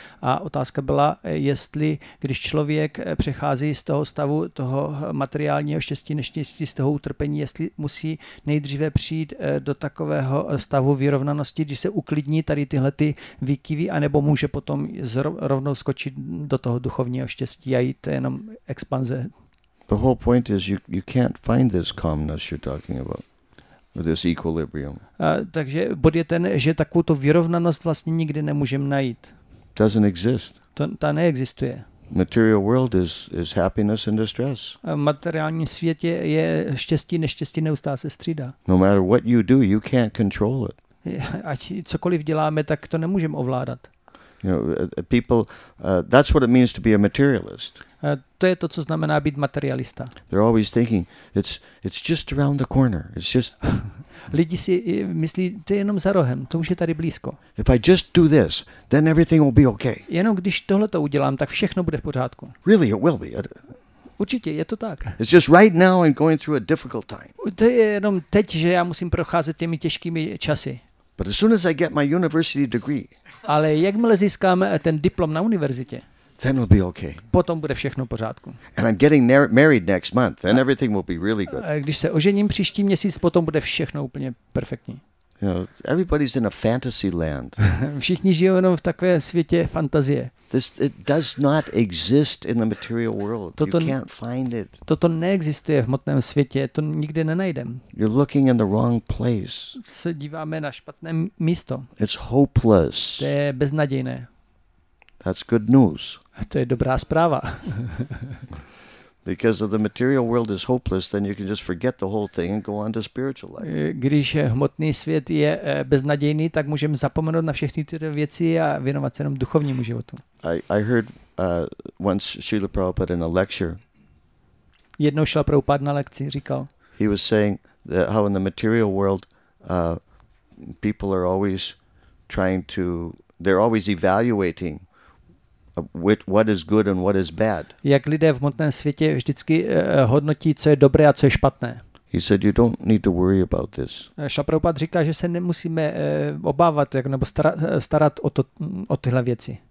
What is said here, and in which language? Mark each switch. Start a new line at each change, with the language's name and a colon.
Czech: A otázka byla, jestli když člověk přechází z toho stavu toho materiálního štěstí, neštěstí, z toho utrpení, jestli musí nejdříve přijít do takového stavu vyrovnanosti, když se uklidní tady tyhle ty výkyvy, anebo může potom rovnou skočit do toho duchovního štěstí a jít jenom expanze.
English: The whole point is you can't find this calmness you're talking about, this equilibrium.
Czech: Takže bod je ten, že takovou to vyrovnanost vlastně nikdy nemůžeme najít.
English: Doesn't exist.
Czech: Ta neexistuje.
English: Material world is happiness and distress.
Czech: V materiálním světě je štěstí, neštěstí, neustále se střídá.
English: No matter what you do, you can't control it.
Czech: Ať cokoliv děláme, tak to nemůžeme ovládat.
English: You know, people, that's what it means to be a materialist.
Czech: To je to, co znamená být materialista.
English: They're always thinking, it's just around the corner. It's just...
Czech: Lidi si myslí, to je jenom za rohem, to už je tady blízko.
English: If I just do this, then everything will be okay.
Czech: Jenom když tohle to udělám, tak všechno bude v pořádku.
English: Really, it will be.
Czech: Určitě, je to tak.
English: It's just right now I'm going through a difficult time.
Czech: To je jenom teď, že já musím procházet těmi těžkými časy.
English: But as soon as I get my university degree,
Czech: ale jakmile získám ten diplom na univerzitě,
English: then it'll be okay.
Czech: Potom bude všechno v pořádku.
English: And I'm getting married next month, then everything will be really good.
Czech: A když se ožením příští měsíc, potom bude všechno úplně perfektní.
English: You know, everybody's in a fantasy land.
Czech: Všichni žijou jenom v takové světě fantazie.
English: This it does not exist in the material world.
Czech: Toto,
English: you can't find it.
Czech: Toto neexistuje v hmotném světě, to nikde nenajdem.
English: You're looking in the wrong place.
Czech: Se díváme na špatné místo.
English: It's hopeless.
Czech: To je beznadějné.
English: That's good news.
Czech: To je dobrá zpráva.
English: Because of the material world is hopeless, then you can just forget the whole thing and go on to spiritual life.
Czech: Když hmotný svět je beznadějný, tak můžeme zapomenout na všechny tyto věci a věnovat se jenom duchovnímu životu.
English: I heard once Srila Prabhupada in a lecture.
Czech: Jednou Srila Prabhupada na lekci říkal.
English: He was saying that how in the material world people are always trying to, they're always evaluating what is good and what is bad.
Czech: Jak lidé v hmotném světě vždycky hodnotí, co je dobré a co je špatné.
English: He said you don't need to worry about this.
Czech: Srila Prabhupada říká, že se nemusíme obávat nebo starat o to, o tyhle věci.